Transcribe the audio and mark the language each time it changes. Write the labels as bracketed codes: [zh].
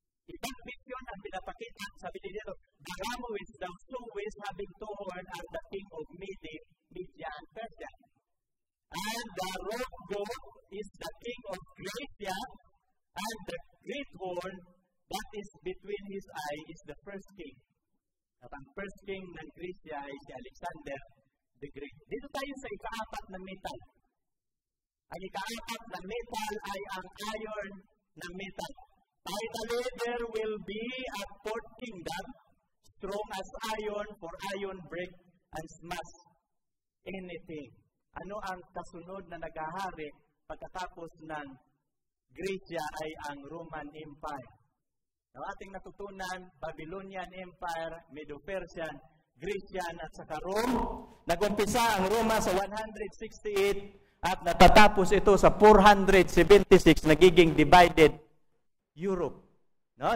[tl] Ibang vision ang pinapakita, sabi ni [en] Nero, the ram with the two ways having two horns are the king of Media and Persia. And the rock goat is the king of Grecia, and the great horn that is between his eyes is the first king. [tl] At ang first king ng Grecia ay si Alexander the Great. Dito tayo sa ika-apat na metal. Ang ika-apat na metal ay ang iron na metal. [en] Finally, there will be a fourth kingdom strong as iron, for iron break and smash anything. [tl] Ano ang kasunod na nagahari pagkatapos ng Grecia ay ang Roman Empire. Ang ating natutunan, Babylonian Empire, Medo-Persian, Grecian at saka Rome. Nag-umpisa ang Roma sa 168 at natatapos ito sa 476, nagiging divided Europe. No?